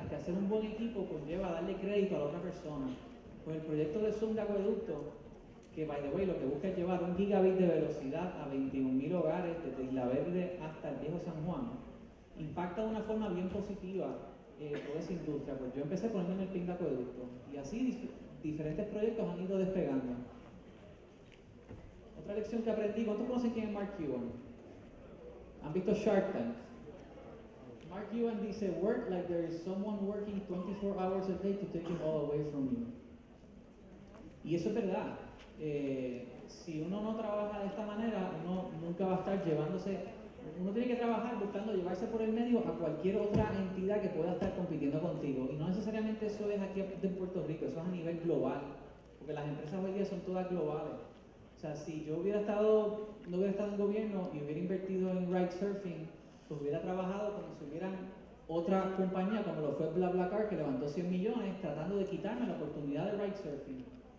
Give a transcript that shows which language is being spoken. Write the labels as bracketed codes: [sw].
[es] Es que hacer un buen equipo conlleva darle crédito a la otra persona. Pues el proyecto de Zunda Acueducto, que, [en] by the way, [es] lo que busca es llevar un gigabit de velocidad a 21.000 hogares desde Isla Verde hasta el viejo San Juan, impacta de una forma bien positiva toda esa industria. Pues yo empecé poniéndome el PIN de acueducto, y así diferentes proyectos han ido despegando. Otra lección que aprendí: ¿cuántos conocen quién es Mark Cuban? ¿Han visto Shark Tank? [en] Mark Cuban [es] dice: [en] work like there is someone working 24 hours a day to take it all away from you. [es] Y eso es verdad. Si uno no trabaja de esta manera, uno nunca va a estar llevándose. Uno tiene que trabajar buscando llevarse por el medio a cualquier otra entidad que pueda estar compitiendo contigo. Y no necesariamente eso es aquí en Puerto Rico, eso es a nivel global. Porque las empresas hoy día son todas globales. O sea, si yo no hubiera estado en gobierno y hubiera invertido en ride surfing, pues hubiera trabajado como si hubieran otra compañía, como lo fue BlaBlaCar, que levantó 100 millones tratando de quitarme la oportunidad de ride surfing.